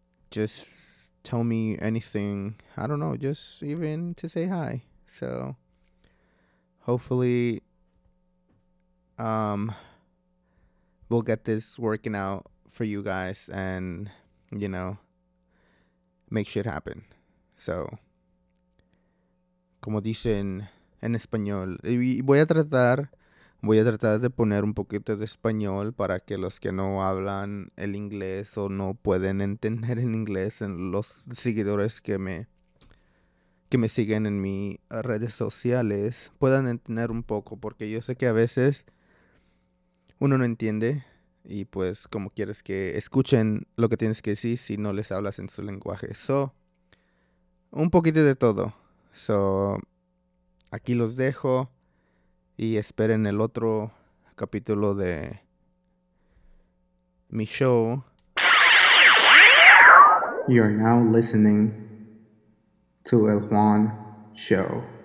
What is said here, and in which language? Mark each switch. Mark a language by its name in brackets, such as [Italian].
[English] Just tell me anything, I don't know, just even to say hi. So hopefully we'll get this working out for you guys and, you know, make shit happen. [Spanish] So, como dicen en español, voy a tratar de poner un poquito de español para que los que no hablan el inglés o no pueden entender el inglés, en los seguidores que me siguen en mis redes sociales, puedan entender un poco, porque yo sé que a veces uno no entiende. Y pues, como quieres que escuchen lo que tienes que decir si no les hablas en su lenguaje. So, un poquito de todo. So, aquí los dejo. Y esperen el otro capítulo de mi show. [English] You are now listening to El Juan Show.